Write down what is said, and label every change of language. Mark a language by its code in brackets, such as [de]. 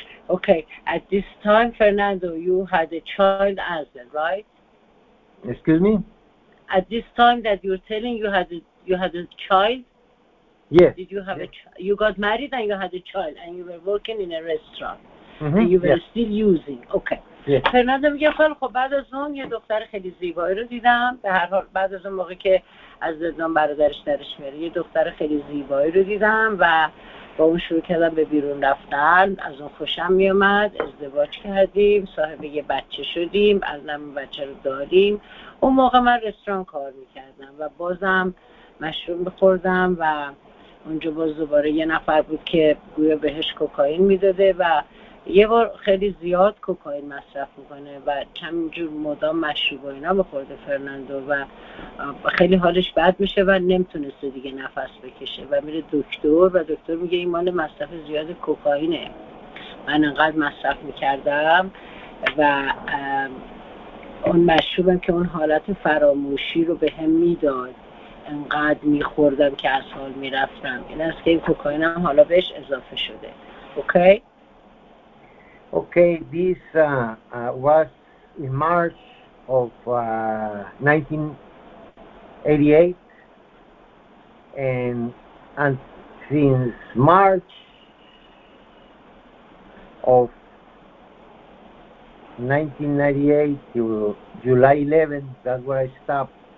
[en] Okay, at this time, Fernando, you had a child as well, right? Excuse me. At this time that you're telling, you had a child. Yes. Did you have you got married and you had a child and you were working in a restaurant. Mm-hmm. And you were still using. Okay. Yes. [fa] فرناندو میگه خیلی خب، بعد از اون یه دختر خیلی زیبایی رو دیدم. به هر حال بعد از اون موقعی که از زندان برادرش درش میاره، یه دختر خیلی زیبایی رو دیدم و با اون شروع کردم به بیرون رفتن. از اون خوشم میومد. ازدواج کردیم. صاحب یه بچه شدیم. الانم بچه رو داریم. اون موقع من رستوران کار میکردم و بازم مشروب میخوردم و اونجا باز دوباره یه نفر بود که گویا بهش کوکائین میداده و یه بار خیلی زیاد کوکائین مصرف میکنه و چند جور مدام مشروب و اینا بخورده فرناندو و خیلی حالش بد میشه و نمیتونسته دیگه نفس بکشه و میره دکتر و دکتر میگه این مال مصرف زیاد کوکائینه. من انقدر مصرف میکردم و اون مشروبم که اون حالت فراموشی رو بهم میداد انقدر میخوردم که از حال میرفتم. این است که این کوکائین هم حالا بهش اضافه شده. [en] Okay? Okay. This was in March of 1988 and since March of 1998 to July 11th, that's where I stopped.